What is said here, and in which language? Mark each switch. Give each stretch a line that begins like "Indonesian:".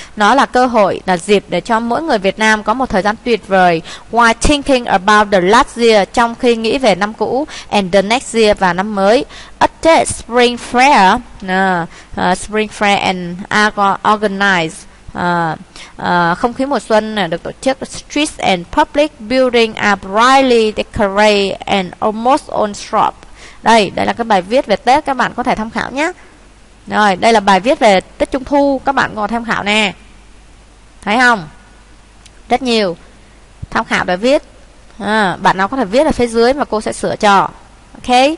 Vietnamese: Nó là cơ hội, là dịp để cho mỗi người Việt Nam có một thời gian tuyệt vời.
English: While thinking about the last year,
Vietnamese: trong khi nghĩ về năm cũ,
English: and the next year
Vietnamese: và năm mới.
English: Attend spring fair. Spring fair and organize.
Vietnamese: Không khí mùa xuân được tổ chức.
English: Streets and public building are brightly decorated and almost all shop.
Vietnamese: Đây, đây là cái bài viết về Tết, các bạn có thể tham khảo nhé. Rồi, đây là bài viết về Tết Trung Thu, các bạn có thể tham khảo nè. Thấy không? Rất nhiều tham khảo để viết. Bạn nào có thể viết ở phía dưới mà cô sẽ sửa cho. Ok.